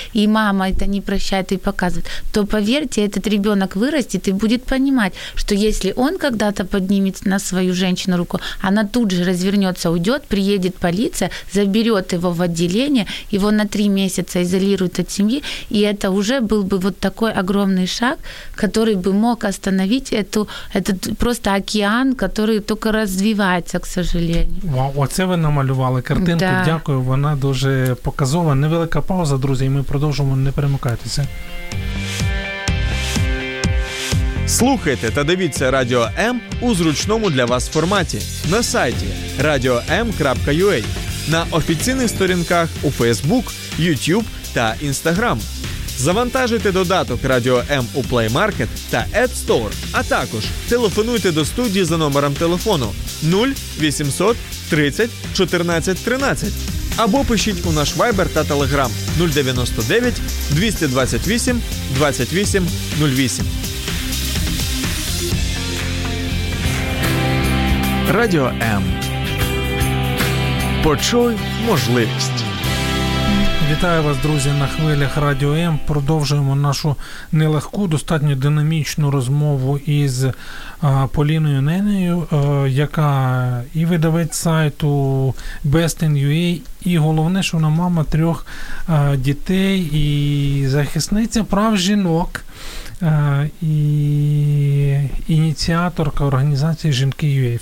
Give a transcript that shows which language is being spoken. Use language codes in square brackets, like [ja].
[ru] и мама это не прощает и показывает, то, поверьте, этот ребенок вырастет и будет понимать, что если он когда-то поднимет на свою женщину руку, она тут же развернется, уйдет, приедет полиция, заберет его в отделение, его на 3 месяца изолируют от семьи, и это уже был бы вот такой огромный шаг, который бы мог остановить этот просто океан, который только развивается, к сожалению. [uk] Вау, оце ви намалювали картинку. Да. Дякую, вона дуже показова. Невелика пауза, друзі, і ми продовжуємо, не перемикайтеся. Слухайте та дивіться Радіо М у зручному для вас форматі на сайті radio.m.ua, на офіційних сторінках у Facebook, YouTube та Instagram. Завантажуйте додаток Радіо М у Play Market та App Store, а також телефонуйте до студії за номером телефону 0800 30 14 13 або пишіть у наш Viber та Telegram 099 228 28 08. Радіо М. Почуй можливість. Вітаю вас, друзі, на хвилях Радіо М. Продовжуємо нашу нелегку, достатньо динамічну розмову із Поліною Ненею, яка і видавець сайту Best in UA, і головне, що вона мама трьох дітей і захисниця прав жінок, і ініціаторка організації «Жінки UA».